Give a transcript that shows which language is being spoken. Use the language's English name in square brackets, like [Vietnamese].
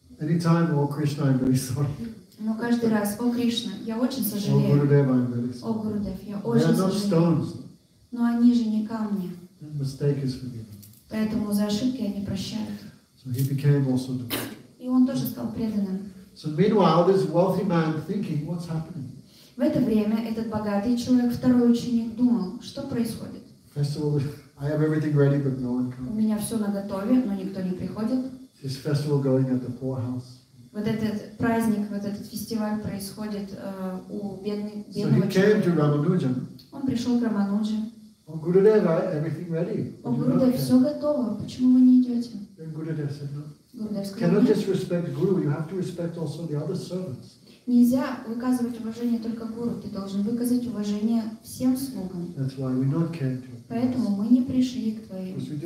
[English] Anytime, oh, Krishna, I'm very sorry. [Russian] Но каждый раз, о Кришна, я очень сожалею. [English] О Гурудев, I'm very sorry. [Russian] О Гурудев, я очень сожалею. [English] Stones. [Russian] Но они же не камни. [English] And mistake is forgiven. [Russian] Поэтому за ошибки они прощают. [English] So he became also devoted. [Russian] И он тоже стал преданным. [English] So meanwhile, this wealthy man thinking, what's happening? [Russian] В это время этот богатый человек, второй ученик, думал, что происходит. [English] Festival, I have everything ready, but no one comes. [Russian] У меня все наготове, но никто не приходит. [English] This festival going at the poorhouse. [Russian] Вот этот праздник, вот этот фестиваль происходит у бедного человека. [English] Came to Рамануджа. [Russian] Он пришел к Рамануджи. [English] О, Гурудев, everything ready. [Russian] О, Гурудев, все готово. Почему вы не идете? [English] Then Gurudev said no. [Russian] Гурудев сказал, [English] cannot disrespect Guru, you have to respect also the other servants. [Russian] Нельзя выказывать уважение только гуру, ты должен выказать уважение всем слугам. Поэтому мы не пришли к твоему